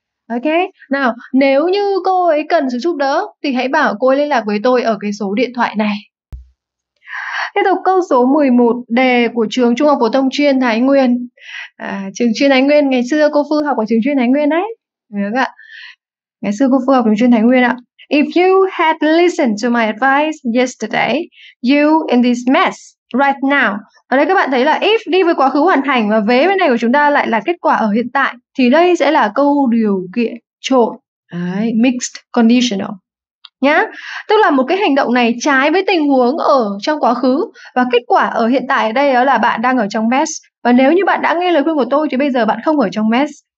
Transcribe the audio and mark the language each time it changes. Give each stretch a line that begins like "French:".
Vietnamese: Ok, nào, nếu như cô ấy cần sự giúp đỡ thì hãy bảo cô ấy liên lạc với tôi ở cái số điện thoại này. Tiếp tục câu số 11, đề của trường Trung học phổ thông chuyên Thái Nguyên. À, trường chuyên Thái Nguyên, ngày xưa cô Phương học ở trường chuyên Thái Nguyên đấy. Đúng ạ. Ngày xưa cô Phương học ở trường chuyên Thái Nguyên ạ.
English: If you had listened to my advice yesterday, you in this mess right now.
Vietnamese: Ở đây các bạn thấy là if đi với quá khứ hoàn thành và vế bên này của chúng ta lại là kết quả ở hiện tại. Thì đây sẽ là câu điều kiện trộn. Đấy, mixed conditional. Nhá. Tức là một cái hành động này trái với tình huống ở trong quá khứ. Và kết quả ở hiện tại ở đây đó là bạn đang ở trong mess. Và nếu như bạn đã nghe lời khuyên của tôi thì bây giờ bạn không ở trong mess.